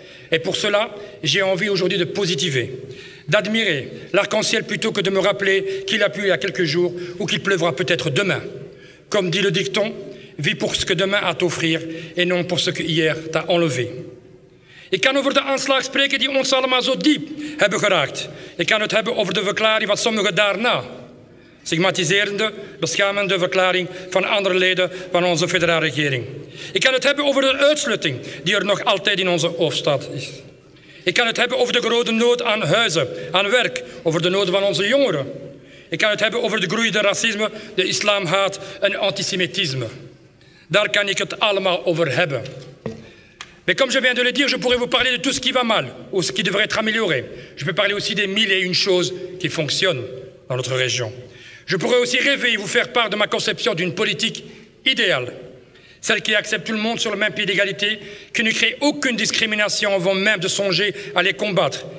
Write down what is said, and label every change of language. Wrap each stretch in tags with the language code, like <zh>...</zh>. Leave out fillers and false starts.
<fr>Et pour cela, j'ai envie aujourd'hui de positiver, d'admirer l'arc-en-ciel plutôt que de me rappeler qu'il a plu il y a quelques jours ou qu'il pleuvra peut-être demain. Comme dit le dicton, vis pour ce que demain a à t'offrir et non pour ce que hier t'a enlevé.</fr> <nl>Ik kan over de aanslag spreken die ons allemaal zo diep hebben geraakt. Ik kan het hebben over de verklaring van sommigen daarna. Stigmatiserende, beschamende verklaring van andere leden van onze federale regering. Ik kan het hebben over de uitsluiting die er nog altijd in onze hoofdstad is. Ik kan het hebben over de grote nood aan huizen, aan werk, over de nood van onze jongeren. Ik kan het hebben over de groeiende racisme, de islamhaat en antisemitisme. Daar kan ik het allemaal over hebben.</nl> <fr>Mais comme je viens de le dire, je pourrais vous parler de tout ce qui va mal ou ce qui devrait être amélioré. Je peux parler aussi des mille et une choses qui fonctionnent dans notre région. Je pourrais aussi rêver et vous faire part de ma conception d'une politique idéale, celle qui accepte tout le monde sur le même pied d'égalité, qui ne crée aucune discrimination avant même de songer à les combattre.</fr>